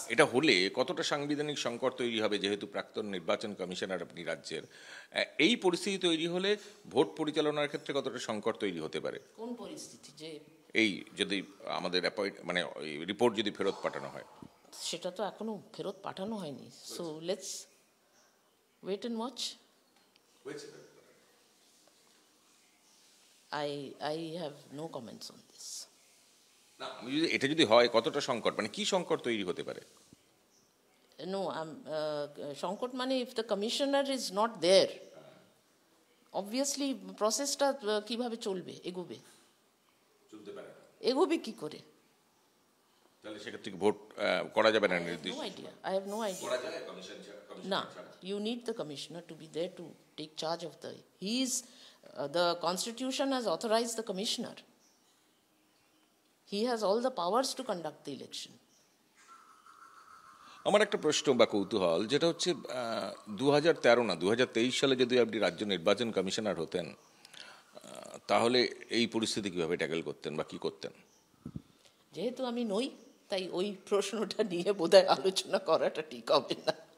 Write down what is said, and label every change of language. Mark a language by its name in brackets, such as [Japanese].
[Bangla] এটা হলে কতটা সাংবিধানিক সংকট তৈরি হবে, যেহেতু প্রাক্তন নির্বাচন কমিশনার আপনি রাজ্যের, এই পরিস্থিতি তৈরি হলে ভোট পরিচালনার ক্ষেত্রে কতটা সংকট তৈরি হতে পারে? কোন পরিস্থিতি? যে এই যদি আমাদের অ্যাপয়েন্ট মানে রিপোর্ট যদি ফেরত পাঠানো হয়। সেটা তো এখনো ফেরত পাঠানো হয়নি, [English] So let's wait and watch. I have no comments on this. [Bangla] না, যদি এটা যদি হয় কতটা সংকট, মানে কি সংকট তৈরি হতে পারে? [English] No, [Bangla] সংকট মানে [English] if the commissioner is not there, obviously processটা [Bangla] কিভাবে চলবে, এগোবে? চলতে পারে। এগোবে কি করে? তাহলে সেক্ষেত্রে কি ভোট করা যাবে না? নির্দিষ্ট [English] No idea. I have no idea. [Bangla] করা যাবে কমিশন ছাড়া? [English] না, you need the commissioner to be there to take charge of the, he is the constitution has authorized the commissioner, he has all the powers to conduct the election. [Bangla] আমার একটা প্রশ্ন বা কৌতূহল, যেটা হচ্ছে 2013 না 2023 সালে যদি আপনি রাজ্য নির্বাচন কমিশনার হতেন, তাহলে এই পরিস্থিতি কিভাবে ট্যাকল করতেন বা কি করতেন? যেহেতু আমি নই, তাই ওই প্রশ্নটা নিয়ে বোধহয় আলোচনা করাটা ঠিক হবে না।